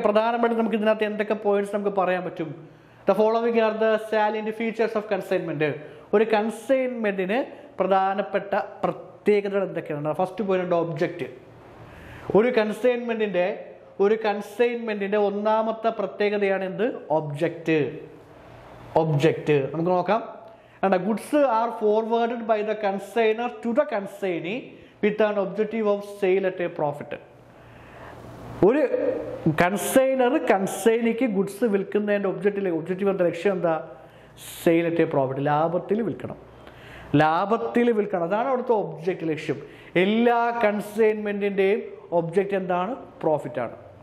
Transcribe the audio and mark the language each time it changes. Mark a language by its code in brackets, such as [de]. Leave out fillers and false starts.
[ml] പ്രധാനമായിട്ട് നമുക്ക് ഇതിനകത്ത് എന്തൊക്കെ പോയിന്റ്സ് നമുക്ക് പറയാൻ പറ്റും? [en] The following are the salient features of consignment. [ml] ഒരു കൺസൈൻമെൻറ്റിന് പ്രധാനപ്പെട്ട പ്രത്യേകതകൾ എന്തൊക്കെയാണ്? [en] first point, [ml] object. ഒരു കൺസൈൻമെൻറ്റിൻ്റെ ഒന്നാമത്തെ പ്രത്യേകതയാണ് എന്ത്? ഒബ്ജക്റ്റ്. ഒബ്ജക്റ്റ് നമുക്ക് നോക്കാം. [en] And the goods are forwarded by the consignor to the consignee with an objective of sale at a profit. [ml] ഒരു കൺസൈനർ കൺസൈനിക്ക് ഗുഡ്സ് വിൽക്കുന്നതിൻ്റെ ഒബ്ജക്റ്റീവിൻ്റെ ലക്ഷ്യം എന്താ? [en] sale at a profit, [ml] ലാഭത്തിൽ വിൽക്കണം. ലാഭത്തിൽ വിൽക്കണം, അതാണ് അവിടുത്തെ ഒബ്ജക്റ്റ്, ലക്ഷ്യം. എല്ലാ കൺസൈൻമെൻറ്റിൻ്റെയും ഒബ്ജക്റ്റ് എന്താണ്? പ്രോഫിറ്റാണ്.